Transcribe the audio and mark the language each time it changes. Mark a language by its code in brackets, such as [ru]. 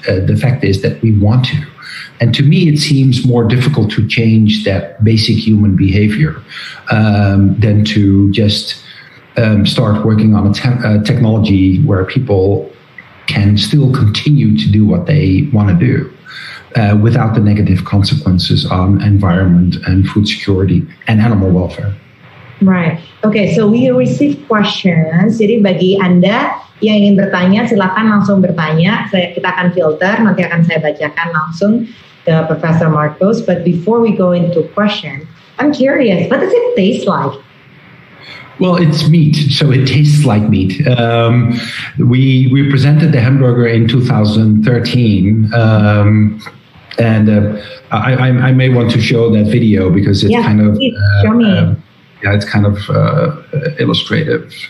[en] The fact is that we want to. And to me, it seems more difficult to change that basic human behavior than to just start working on a technology where people can still continue to do what they want to do without the negative consequences on environment and food security and animal welfare. Right. Okay, so we receive questions. [id] Jadi bagi Anda yang ingin bertanya, silakan langsung bertanya. Kita akan filter, nanti akan saya bacakan langsung ke Professor Marcos. [en] But before we go into question, I'm curious, what does it taste like? Well, it's meat, so it tastes like meat. We presented the hamburger in 2013, and I may want to show that video because it's kind of it's kind of illustrative.